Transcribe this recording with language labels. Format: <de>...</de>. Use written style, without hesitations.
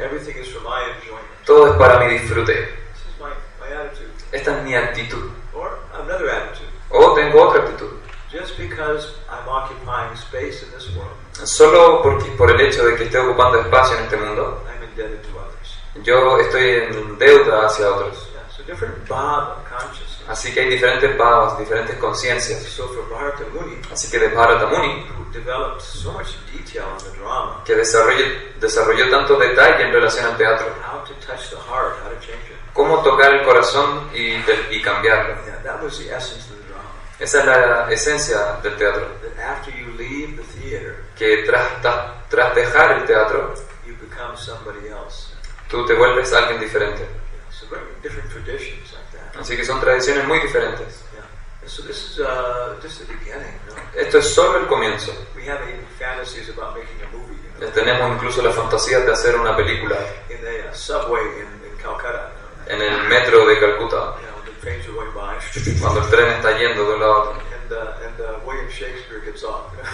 <en>Everything is for my enjoyment.</en> <es>Todo es para mi disfrute.</es> <en>This is my attitude.</en> <es>Esta es mi actitud.</es> <en>Or another attitude.</en> <es>O tengo otra actitud.</es> <en>Just because I'm occupying space in this world.</en> <es>Solo por el hecho de que esté ocupando espacio en este mundo.</es> <en>I'm indebted to others.</en> <es>Yo estoy en deuda hacia otros.</es> <en>Yeah, so different bhava consciousness.</en> <es>Así que hay diferentes bhavas, diferentes conciencias.</es> <en>So for Bharata Muni,</en> <es>así que de Bharata Muni,</es> <en>who developed so much detail in the drama,</en> <es>que desarrolló tanto detalle en relación al teatro.</es> <en>How to touch the heart, how to change it.</en> <es>Cómo tocar el corazón y cambiarlo.</es> <en>Yeah, that was the essence of the drama.</en> <es>Esa es la esencia del teatro.</es> <en>That after you leave the theater,</en> <es>que tras dejar el teatro,</es> <en>you become somebody else.</en> <es>Tú te vuelves alguien diferente.</es> <en>Yeah, so very different traditions like that.</en> <es>Así que son tradiciones muy diferentes.</es> <en>Yeah. So this is just the beginning, no?</en> <es>Esto es solo el comienzo.</es> <en>We have even fantasies about making a movie, you know?</en> <es>Tenemos incluso la fantasía de hacer una película.</es> <en>In the subway in Calcutta, you know?</en> <es>En el metro de Calcuta.</es> <en>Yeah,</en> <es>cuando el tren está yendo de un lado.</es> <en>And William Shakespeare gets off.</en>